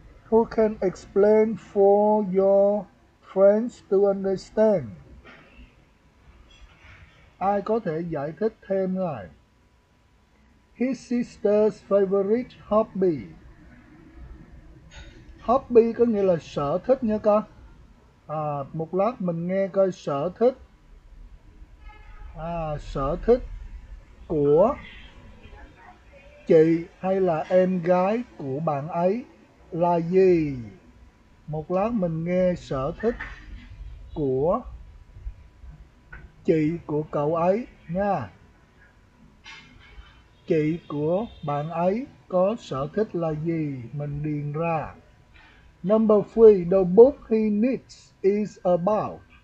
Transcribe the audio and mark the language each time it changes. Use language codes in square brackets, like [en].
[en] Who can explain for your friends to understand? [vi] Ai có thể giải thích thêm này? His sister's favorite hobby. Hobby có nghĩa là sở thích nha con. À, một lát mình nghe coi sở thích. À, sở thích của chị hay là em gái của bạn ấy là gì? Một lát mình nghe sở thích của chị của cậu ấy nha. Chị của bạn ấy có sở thích là gì? Mình điền ra. [en] Number three, the book he needs is about.